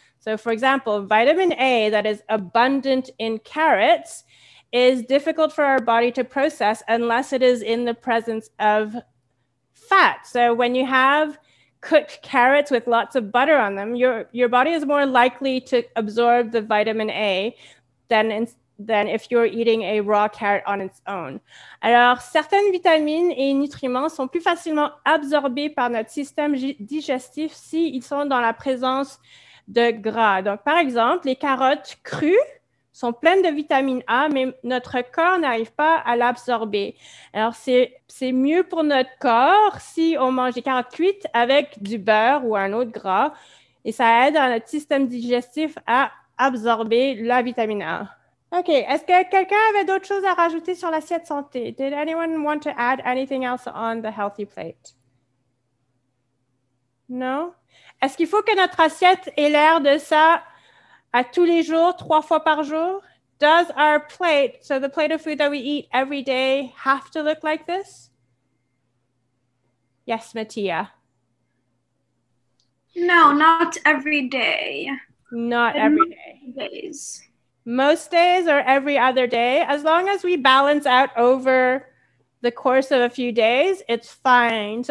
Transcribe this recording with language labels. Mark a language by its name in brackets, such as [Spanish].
[English] So for example, vitamin A that is abundant in carrots is difficult for our body to process unless it is in the presence of fat. So when you have cooked carrots with lots of butter on them, your body is more likely to absorb the vitamin A than if you're eating a raw carrot on its own. [French] Alors, certaines vitamines et nutriments sont plus facilement absorbés par notre système digestif s'ils sont dans la présence de gras. Donc, par exemple, les carottes crues sont pleines de vitamine A, mais notre corps n'arrive pas à l'absorber. Alors, c'est mieux pour notre corps si on mange des carottes cuites avec du beurre ou un autre gras, et ça aide à notre système digestif à absorber la vitamine A. OK. Est-ce que quelqu'un avait d'autres choses à rajouter sur l'assiette santé? [English] Did anyone want to add anything else on the healthy plate? [French] Non? Est-ce qu'il faut que notre assiette ait l'air de ça à tous les jours, trois fois par jour? [English] Does our plate, so the plate of food that we eat every day, have to look like this? Yes, Mattia. No, not every day. Not every day. Days. Most days or every other day, as long as we balance out over the course of a few days, it's fine.